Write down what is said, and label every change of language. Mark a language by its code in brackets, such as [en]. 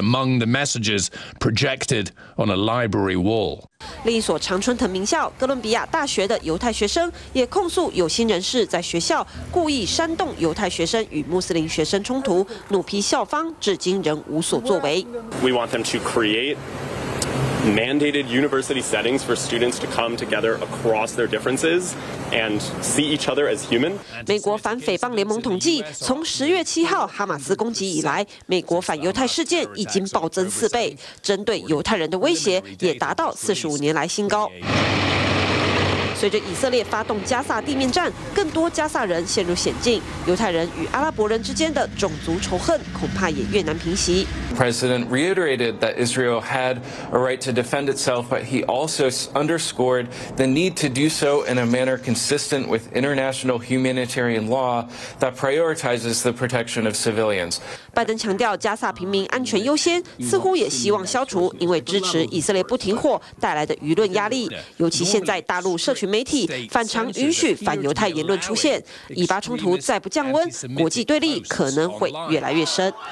[en] Among the messages projected on a library wall. [zh] 另一所常春藤名校哥伦比亚大学的犹太学生也控诉有心人士在学校故意煽动犹太学生与穆斯林学生冲突，怒批校方至今仍无所作为。 [en] We want them to create mandated university settings for students to come together across their differences and see each other as human. [zh] 美国反诽谤联盟统计，从十月七号哈马斯攻击以来，美国反犹太事件已经暴增四倍，针对犹太人的威胁也达到45年来新高。随着以色列发动加萨地面战，更多加萨人陷入险境，犹太人与阿拉伯人之间的种族仇恨恐怕也越难平息。 [en] President reiterated that Israel had a right to defend itself, but he also underscored the need to do so in a manner consistent with international humanitarian law that prioritizes the protection of civilians. [zh] 拜登强调加萨平民安全优先，似乎也希望消除因为支持以色列不停火带来的舆论压力，尤其现在大陆社群媒体反常允许反犹太言论出现，以巴冲突再不降温，国际对立可能会越来越深。